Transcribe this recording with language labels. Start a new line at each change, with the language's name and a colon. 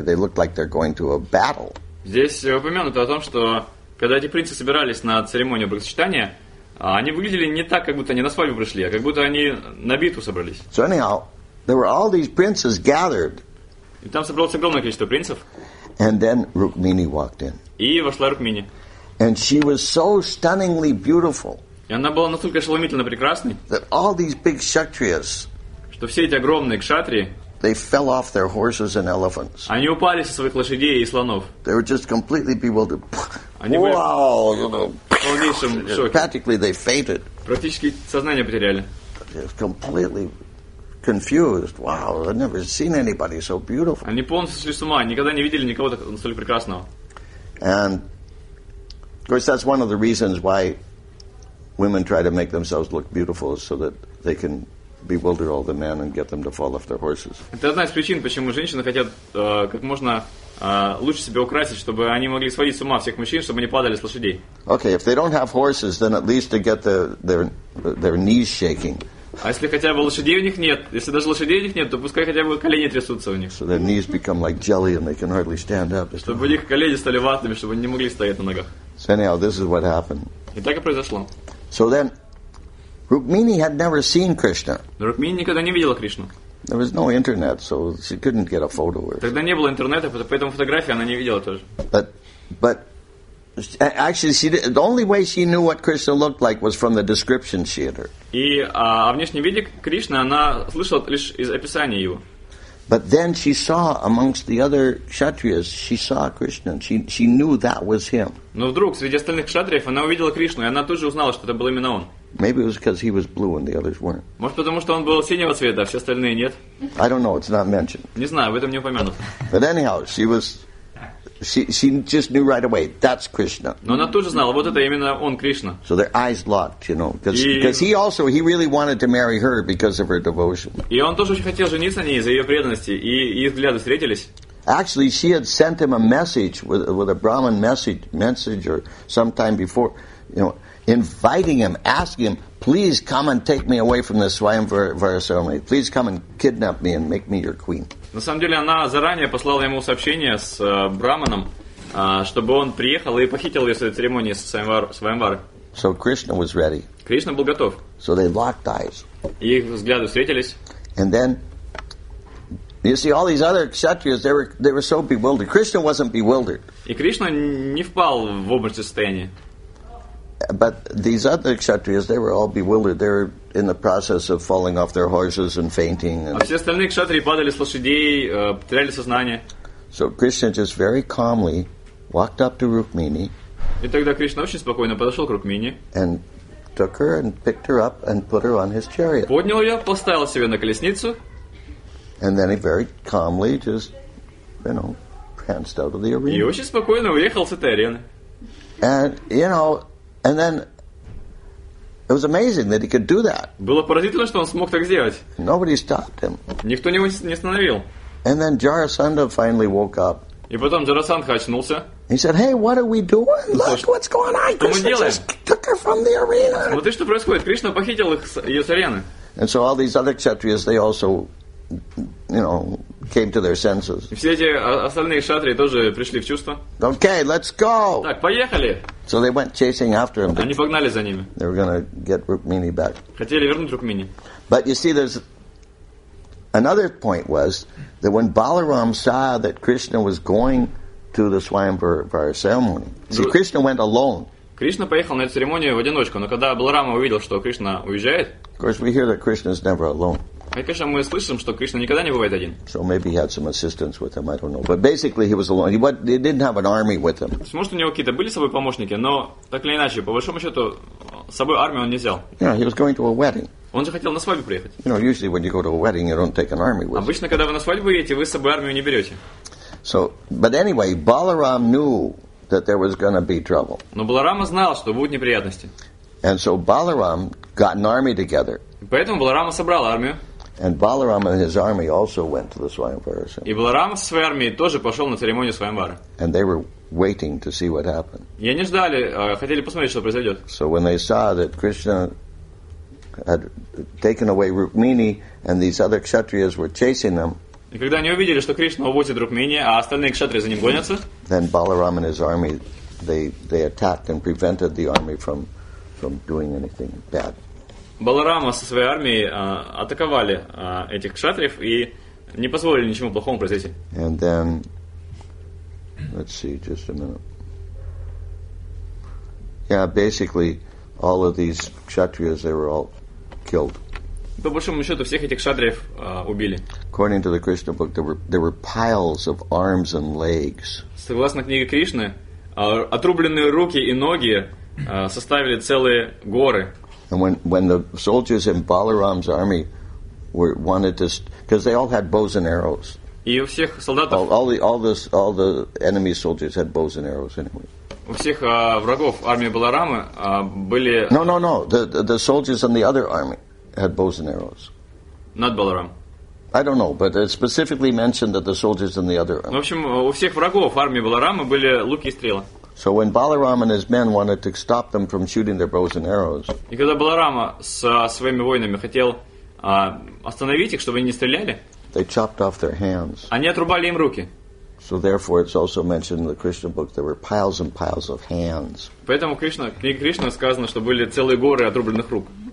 English: They looked like they're going to a battle.
Russian: Здесь упомянуто о том, что когда эти принцы собирались на церемонию бракосочетания, они выглядели не так, как будто они на свадьбу пришли, а как будто они на битву собрались.
English: So anyhow, there were all these princes gathered.
Russian: И там собралось огромное количество принцев.
English: And then Rukmini walked in.
Russian: И вошла Рукмини.
English: And she was so stunningly beautiful.
Russian: И она была настолько ошеломительно прекрасной.
English: That all these big kshatriyas.
Russian: Что все эти огромные кшатрии.
English: They fell off their horses and elephants.
Russian: Они упали со своих лошадей и слонов.
English: They were just completely bewildered.
Russian: Они wow, были в полнейшем шоке.
English: Practically they fainted.
Russian: Практически сознание потеряли.
English: Completely confused. Wow, I've never seen anybody so beautiful.
Russian: Они полностью сошли с ума, никогда не видели никого настолько прекрасного.
English: And of course that's one of the reasons why women try to make themselves look beautiful so that they can bewilder all the men and get them to fall off their horses.
Russian: Это одна из причин, почему женщины хотят как можно лучше себя украсить, чтобы они могли сводить с ума всех мужчин, чтобы они падали с лошадей.
English: Okay, if they don't have horses, then at least to get their knees shaking.
Russian: А если хотя бы лошадей у них нет, если даже лошадей у них нет, то пускай хотя бы колени трясутся у них.
English: So their knees become like jelly and they can hardly stand up.
Russian: Чтобы у них колени стали ватными, чтобы они не могли стоять на ногах.
English: So anyhow, this is what happened.
Russian: И так и произошло.
English: So then, Rukmini had never seen Krishna.
Russian: Rukmini никогда не видела Кришну.
English: There was no internet, so she couldn't get a photo.
Russian: Тогда не было интернета, поэтому фотографии она не видела тоже.
English: But actually, she did, the only way she knew what Krishna looked like was from the description she had heard.
Russian: И о внешнем виде Кришны она слышала лишь из описания его.
English: But then she saw amongst the other kshatriyas, she saw Krishna. She knew that was him.
Russian: Но вдруг среди остальных кшатриев она увидела Кришну, и она тут же узнала, что это был именно он.
English: Maybe it was because he was blue and the others weren't.
Russian: Может потому что он был синего цвета, а все остальные нет.
English: I don't know. It's not mentioned.
Russian: Не знаю, об этом не упомянуто.
English: But anyhow, she was. She just knew right away. That's Krishna.
Russian: Но она тут же знала, вот это именно он, Кришна.
English: So their eyes locked, you know, because he really wanted to marry her because of her devotion.
Russian: И он тоже очень хотел жениться на ней за ее преданности, и их взгляды встретились.
English: Actually, she had sent him a message with a Brahmin messenger sometime before, you know, inviting him, asking him, please come and take me away from the Swayamvara ceremony. Please come and kidnap me and make me your queen.
Russian: На самом деле, она заранее послала ему сообщение с Браманом, чтобы он приехал и похитил ее с этой церемонии с Свайамвары.
English: So Krishna was ready.
Russian: Кришна был готов.
English: So they locked eyes.
Russian: И их взгляды встретились.
English: And then, you see, all these other kshatriyas, they were so bewildered. Krishna wasn't bewildered.
Russian: И Кришна не впал в обморочное состояние.
English: But these other kshatriyas, they were all bewildered. They were in the process of falling off their horses and fainting.
Russian: А все остальные кшатрии падали с лошадей, потеряли сознание.
English: So Krishna just very calmly walked up to Rukmini.
Russian: И тогда Кришна очень спокойно подошел к Рукмини.
English: And took her and picked her up and put her on his chariot.
Russian: Поднял ее, поставил себе на колесницу.
English: And then he very calmly just, you know, pranced out of the arena.
Russian: И очень спокойно уехал с этой арены.
English: And, you know, and then it was amazing that he could do that.
Russian: Было поразительно, что он смог так сделать.
English: Nobody stopped him.
Russian: Никто не остановил.
English: And then Jarasandha finally woke up.
Russian: И потом Джарасандха очнулся.
English: He said, "Hey, what are we doing? Look, what's going on? Krishna just took her from the arena."
Russian: Вот и что происходит? Кришна похитил их из арены.
English: And so all these other kshatriyas, they also, you know, came to their senses.
Russian: Все эти остальные кшатрии тоже пришли в чувство.
English: Okay, let's go.
Russian: Так, поехали.
English: So they went chasing after him.
Russian: Они погнали за ними.
English: They were going to get Rukmini back.
Russian: Хотели вернуть Рукмини.
English: But you see, there's another point was that when Balaram saw that Krishna was going to the Swayamvara ceremony, see, Krishna went alone.
Russian: Кришна поехал на эту церемонию в одиночку, но когда Баларама увидел, что Кришна уезжает,
English: of course, we hear that Krishna is never alone.
Russian: И, конечно, мы слышим, что Кришна никогда не бывает один.
English: So maybe he had some assistants with him, I don't know. But basically he was alone. He didn't have an army with him.
Russian: Может, у него какие-то были с собой помощники, но так или иначе, по большому счету, с собой армию он не взял.
English: Yeah, he was going to a wedding.
Russian: Он же хотел на свадьбу приехать.
English: You know, usually when you go to a wedding, you don't take an army with you.
Russian: Обычно, когда вы на свадьбу едете, вы с собой армию не берете.
English: So, but anyway, Balaram knew that there was going to be trouble.
Russian: Но Баларама знал, что будут неприятности.
English: And so Balaram got an army together.
Russian: Поэтому Баларама собрал армию.
English: And Balaram and his army also went to the Swayamvara.
Russian: И Баларам со своей армией тоже пошел на церемонию Свайамвары.
English: And they were waiting to see what happened.
Russian: И они ждали, хотели посмотреть, что произойдет.
English: So when they saw that Krishna had taken away Rukmini and these other kshatriyas were chasing them.
Russian: И когда они увидели, что Кришна уводит Рукмини, а остальные кшатрии за ним гонятся.
English: Then Balaram and his army they attacked and prevented the army from doing anything bad.
Russian: Баларама со своей армией атаковали этих кшатриев и не позволили ничему плохому произойти.
English: And then, let's see, just a minute. Yeah, basically, all of these kshatriyas, they were all killed.
Russian: По большому счету, всех этих кшатриев убили.
English: According to the Krishna book, there were piles of arms and legs.
Russian: Согласно книге Кришны, отрубленные руки и ноги составили целые горы.
English: And when the soldiers in Balaram's army were wanted to, because they all had bows and arrows.
Russian: И у всех солдатов.
English: All the enemy soldiers had bows and arrows anyway.
Russian: У всех врагов армии Баларамы были.
English: No. The soldiers in the other army had bows and arrows. Not Balaram. I don't know, but it specifically mentioned that the soldiers in the other army.
Russian: В общем, у всех врагов армии Баларамы были луки и стрелы.
English: So when Balaram and his men wanted to stop them from shooting their bows and arrows,
Russian: и когда Баларама со своими воинами хотел остановить их, чтобы они не стреляли.
English: They chopped off their hands.
Russian: Они отрубали им руки.
English: So therefore, it's also mentioned in the Krishna book there were piles and piles of hands.
Russian: Поэтому Кришна, в книге Кришна сказано, что были целые горы отрубленных рук.